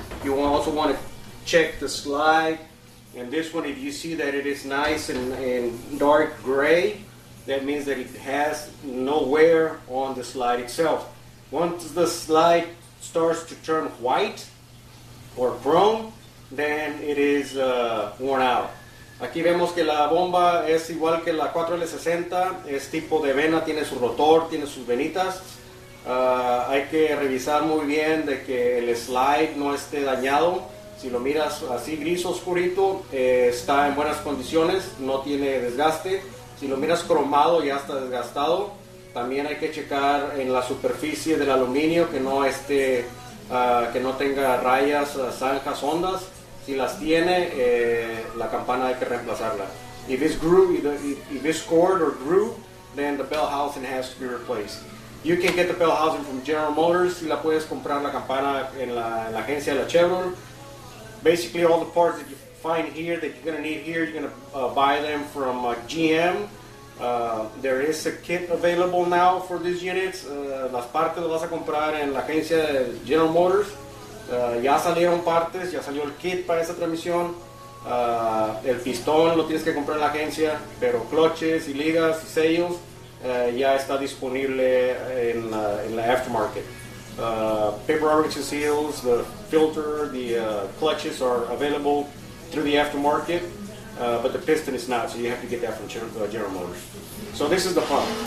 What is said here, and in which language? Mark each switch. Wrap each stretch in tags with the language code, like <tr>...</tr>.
<en>You also want to check the slide. And this one, if you see that it is nice and dark gray, that means that it has no wear on the slide itself. Once the slide starts to turn white or chrome, then it is worn out.</en> <es>Aquí vemos que la bomba es igual que la 4L60. Es tipo de vena, tiene su rotor, tiene sus venitas. Hay que revisar muy bien de que el slide no esté dañado. Si lo miras así gris oscurito, está en buenas condiciones, no tiene desgaste. Si lo miras cromado, ya está desgastado. También hay que checar en la superficie del aluminio que no esté, que no tenga rayas, zanjas, ondas. Si las tiene, la campana hay que reemplazarla.</es> <en>If it's grooved, if it's scored or grooved, then the bell housing has to be replaced. You can get the bell housing from General Motors.</en> <es>Si la puedes comprar la campana en la agencia de la Chevron.</es> <en>Basically, all the parts that you find here that you're going to need here, you're going to buy them from GM. There is a kit available now for these units.</en> <es>Las partes las vas a comprar en la agencia de General Motors. Ya salieron partes, ya salió el kit para esa transmisión. El pistón lo tienes que comprar en la agencia, pero cloches y ligas y sellos ya está disponible en la aftermarket.</es> <en>Paper armature seals, the filter, the clutches are available through the aftermarket, but the piston is not, so you have to get that from General Motors. So this is the pump.</en>